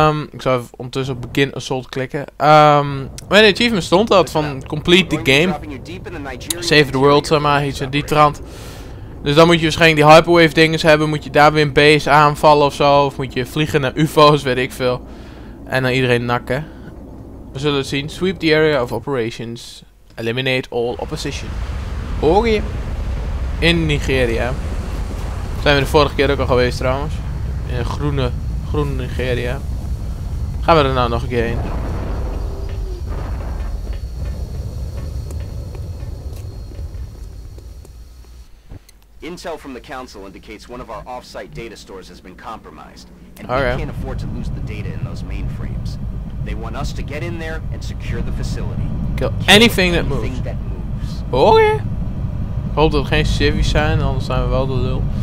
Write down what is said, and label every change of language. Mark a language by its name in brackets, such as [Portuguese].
[Dutch] Ik zou even ondertussen op begin assault klikken. Mijn achievement stond dat van [English] complete the game. Save the world, [Dutch] zeg maar, iets in die trant. Dus dan moet je waarschijnlijk die hyperwave dinges hebben. Moet je daar weer een base aanvallen ofzo. Of moet je vliegen naar UFO's, weet ik veel. En dan iedereen nakken. We zullen het zien. [English] Sweep the area of operations. Eliminate all opposition. Oh yeah. In Nigeria. [Dutch] Zijn we de vorige keer ook al geweest trouwens. In groene... Groen Nigeria. Gaan we er nou nog een keer heen? [English] Intel from the council indicates one of our off-site data stores has been compromised. And okay. We can't afford to lose the data in those mainframes. They want us to get in there and secure the facility. Kill anything that moves. Oh yeah. [Dutch] Ik hoop dat we geen civies zijn, anders zijn we wel de lul.